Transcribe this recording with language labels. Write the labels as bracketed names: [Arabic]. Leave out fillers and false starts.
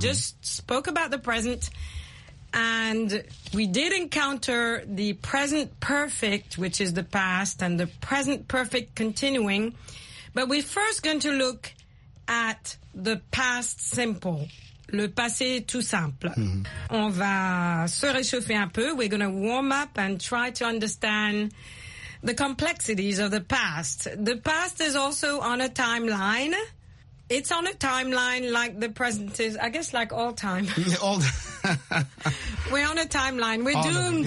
[English] just spoke about the present. And we did encounter the present perfect, which is the past, and the present perfect continuing. But we're first going to look at the past simple, [French] le passé tout simple. Mm-hmm. On va se réchauffer un peu. [English] We're going to warm up and try to understand the complexities of the past. The past is also on a timeline. It's on a timeline like the present is, I guess, like all time. We're on a timeline. We're all doomed.